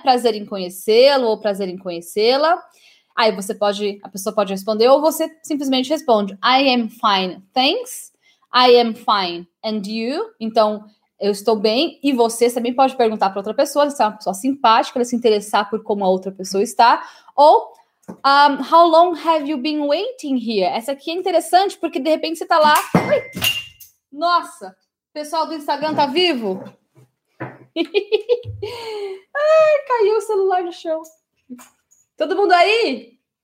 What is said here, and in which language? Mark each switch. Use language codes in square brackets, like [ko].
[pt] Prazer em conhecê-lo ou prazer em conhecê-la. Aí você pode, a pessoa pode responder ou você simplesmente responde. [en] I am fine, thanks. I am fine, and you? [pt] Então, eu estou bem. E você também pode perguntar para outra pessoa, se é uma pessoa simpática, se interessar por como a outra pessoa está. [en] Ou, how long have you been waiting here? [pt] Essa aqui é interessante porque de repente você está lá. Ui! Nossa, o pessoal do Instagram está vivo? Ai, caiu o celular no chão. Todo mundo aí?